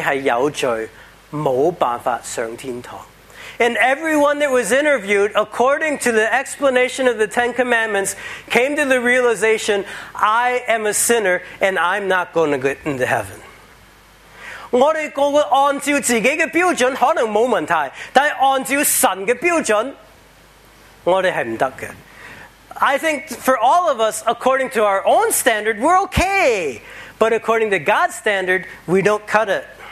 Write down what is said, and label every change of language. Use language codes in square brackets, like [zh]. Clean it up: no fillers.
[zh] 每一個按照十戒的標準都承認自己是有罪,沒辦法上天堂。 [en] And everyone that was interviewed, according to the explanation of the Ten Commandments, came to the realization, I am a sinner and I'm not going to get into heaven. [zh] 我们按照自己的标准可能没问题, 但按照神的标准, 我们是不行的。 [en] I think for all of us, according to our own standard, we're okay. But according to God's standard, we don't cut it.